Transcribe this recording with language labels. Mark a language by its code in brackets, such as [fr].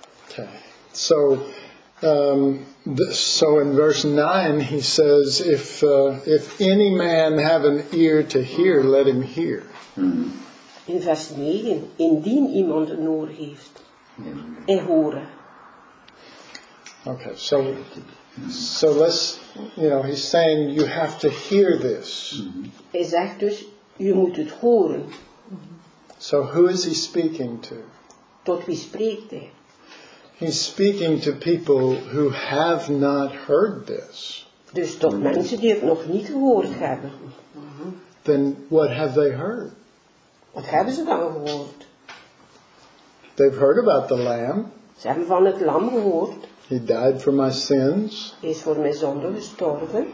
[en] Okay. So, so in verse 9 he says, if any man have an ear to hear, let him hear. [nl] In vers 9, indien iemand een oor heeft, en horen. [en] Okay, so let's, you know, he's saying you have to hear this. [nl] Hij zegt dus, je moet het horen. [en] So who is he speaking to? [nl] Tot wie spreekt hij? [en] He's speaking to people who have not heard this. [nl] Dus tot mensen die het nog niet gehoord hebben. [en] Then what have they heard? [nl] Wat hebben ze dan gehoord? [en] They've heard about the lamb. [nl] Ze hebben van het lam gehoord. [en] He died for my sins. [nl] Hij is voor mijn zonde gestorven.